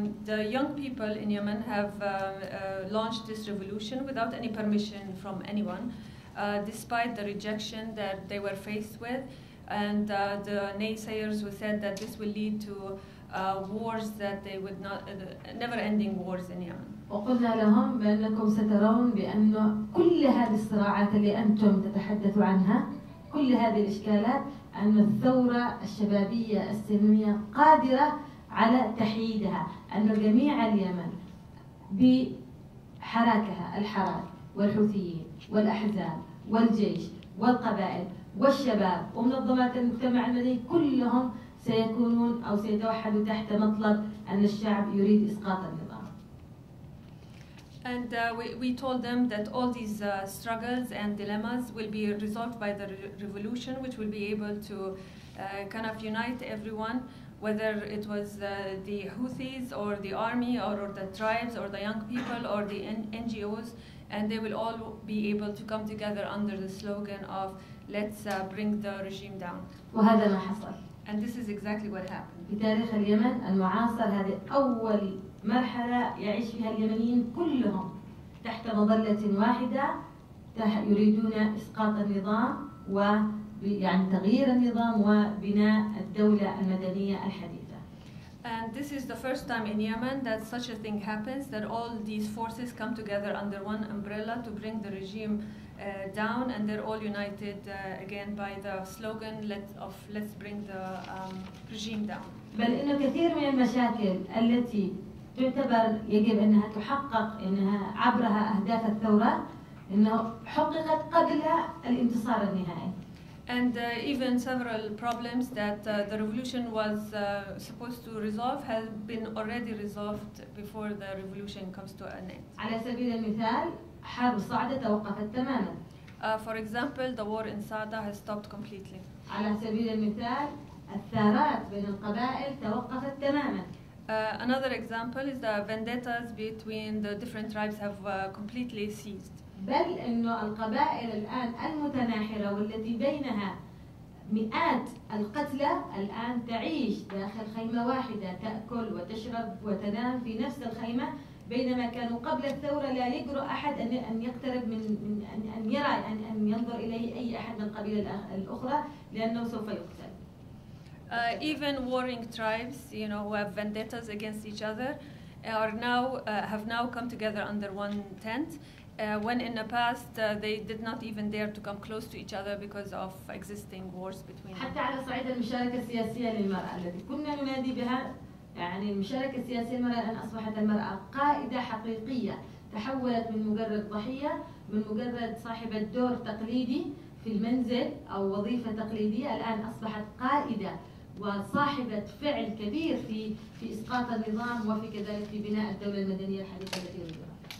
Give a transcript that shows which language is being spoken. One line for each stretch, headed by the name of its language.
English: The young people in Yemen have launched this revolution without any permission from anyone, despite the rejection that they were faced with, and the naysayers who said that this will lead to wars that they would not, never-ending wars in Yemen.
Arabic: وقلنا لهم بأنكم سترون بأن كل هذه الصراعات اللي أنتم تتحدثوا عنها, كل هذه الإشكالات, أن الثورة الشبابية السلمية قادرة على تحييدها, أن جميع اليمن بحراكها الحراك والحوثيين والأحزاب والجيش والقبائل والشباب ومنظمات المجتمع المدني كلهم سيكونون أو سيتوحدوا تحت مطلب أن الشعب يريد إسقاط النظام.
English: And we told them that all these struggles and dilemmas will be resolved by the revolution, which will be able to kind of unite everyone, whether it was the Houthis or the army or the tribes or the young people or the NGOs, and they will all be able to come together under the slogan of let's bring the regime down.
Arabic: وهذا ما حصل.
English: And this is exactly what happened.
Arabic: في تاريخ اليمن المعاصر هذه أول مرحلة يعيش فيها اليمنيين كلهم تحت مظلة واحدة يريدون إسقاط النظام ويعني تغيير النظام وبناء الدولة المدنية الحديثة.
English: And this is the first time in Yemen that such a thing happens, that all these forces come together under one umbrella to bring the regime down, and they're all united again by the slogan let's bring the regime down.
Arabic: بل إن كثير من المشاكل التي تعتبر يجب أنها تحقق أنها عبرها أهداف الثورة أنه حققت قبل الانتصار النهائي.
English: And even several problems that the revolution was supposed to resolve have been already resolved before the revolution comes to an end.
Arabic: على سبيل المثال حرب صعدة توقفت تماما.
English: For example, the war in Saada has stopped completely.
Arabic: على سبيل المثال الثارات بين القبائل توقفت تماما.
English: Another example is the vendettas between the different tribes have completely ceased.
Arabic: بل إنه القبائل الآن المتناحرة والتي بينها مئات القتلى الآن تعيش داخل خيمة واحدة تأكل وتشرب وتنام في نفس الخيمة, بينما كانوا قبل الثورة لا يجرؤ أحد أن يقترب من أن يرى أن ينظر إليه أي أحد من القبيلة الأخرى لأنه سوف يقتل.
English: Even warring tribes, you know, who have vendettas against each other, have now come together under one tent. When in the past they did not even dare to come close to each other because of existing wars between them.
Arabic: حتى على صعيد المشاركة السياسية للمرأة التي كنا ننادي بها, يعني المشاركة السياسية للمرأة الآن أصبحت المرأة قائدة حقيقية, تحولت من مجرد ضحية, من مجرد صاحبة دور تقليدي في المنزل أو وظيفة تقليدية, الآن أصبحت قائدة وصاحبة فعل كبير في إسقاط النظام وفي كذلك في بناء الدولة المدنية الحديثة التي يريدها.